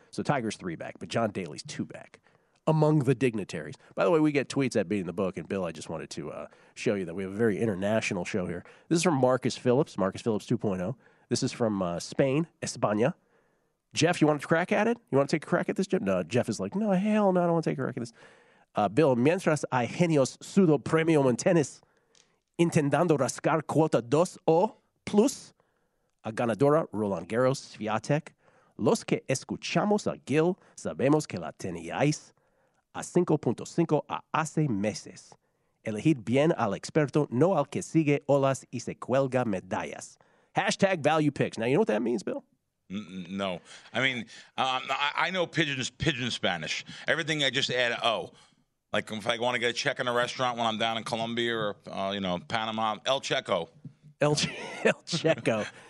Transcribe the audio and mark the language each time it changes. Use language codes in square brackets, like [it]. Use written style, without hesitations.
[en] So Tiger's 3 back, but John Daly's 2 back. Among the dignitaries. By the way, we get tweets at Beating the Book, and Bill, I just wanted to show you that we have a very international show here. This is from Marcus Phillips, Marcus Phillips 2.0. This is from Spain, España. Jeff, you want to crack at it? You want to take a crack at this, Jeff? No, Jeff is like, no, hell no, I don't want to take a crack at this. [es] Bill, mientras hay genios sudo premium en tenis intentando rascar cuota 2 o plus a ganadora Roland Garros Swiatek, los que escuchamos a Gil sabemos que la teníais a 5.5 a hace meses. Elegid bien al experto, no al que sigue olas y se cuelga medallas. [en] Hashtag value picks. Now, you know what that means, Bill? No. I mean, I know pigeon Spanish. Everything I just add, oh. Like if I want to get a check in a restaurant when I'm down in Colombia or, you know, Panama, El Checo. [es] El Checo.